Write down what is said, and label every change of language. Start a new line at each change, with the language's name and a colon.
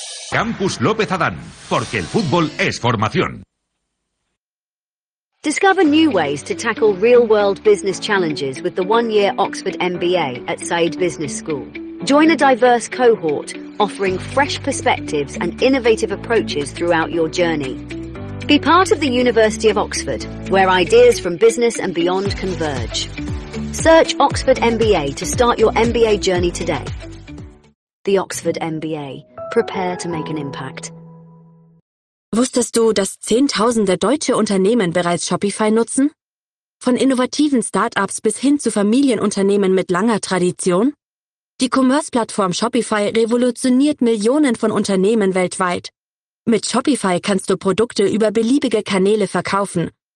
Spanish: Campus López Adán, porque el fútbol es formación.
English: Discover new ways to tackle real-world business challenges with the one-year Oxford MBA at Said Business School. Join a diverse cohort offering fresh perspectives and innovative approaches throughout your journey. Be part of the University of Oxford, where ideas from business and beyond converge. Search Oxford MBA to start your MBA journey today. The Oxford MBA. Prepare to make an impact.
German: Wusstest du, dass Zehntausende deutsche Unternehmen bereits Shopify nutzen? Von innovativen Startups bis hin zu Familienunternehmen mit langer Tradition? Die Commerce-Plattform Shopify revolutioniert Millionen von Unternehmen weltweit. Mit Shopify kannst du Produkte über beliebige Kanäle verkaufen.